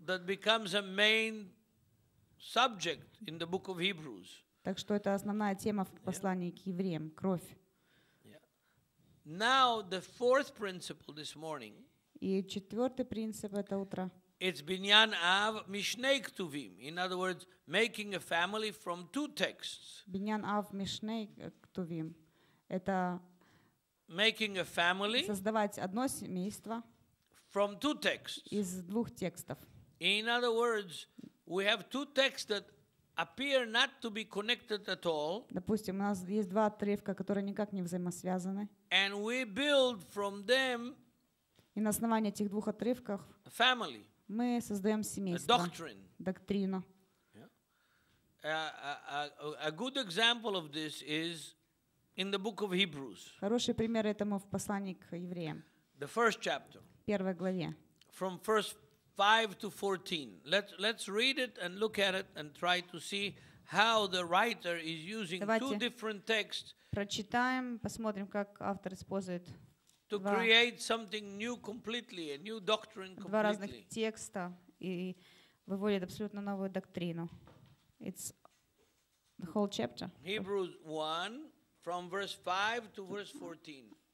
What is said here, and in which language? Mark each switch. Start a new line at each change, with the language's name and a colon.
English: That becomes a main subject in the book of Hebrews.
Russian: Так что это основная тема в послании к евреям — кровь.
English: Now the fourth principle this morning.
Ukrainian: І четвертий принцип це утро.
English: It's binyan av mishnei ktuvim. In other words, making a family from two texts.
Hebrew: Binyan av mishnei ktuvim. Это
English: making a family.
Russian: Создавать одно семейство.
English: From two texts.
Russian: Из двух текстов.
English: In other words, we have two texts that appear not to be connected at all.
Russian: Допустим, у нас есть два отрывка, которые никак не взаимосвязаны.
English: And we build from them.
Russian: И на основании этих двух отрывков
English: family.
Russian: Мы создаем семейство.
English: Doctrine.
Russian: Доктрину.
English: A good example of this is in the book of Hebrews.
Russian: Хороший пример этому в послании к евреям.
English: The first chapter.
Russian: Первая главе.
English: From first 5 to 14. Let's read it and look at it and try to see how the writer is using
Russian: Давайте
English: two different texts.
Russian: Прочитаем, посмотрим, как автор использует
English: to create something new completely, a new doctrine completely.
Russian: Два разных текста и выводит абсолютно новую доктрину.
English: It's the whole chapter. Hebrews 1 from verse 5 to verse 14.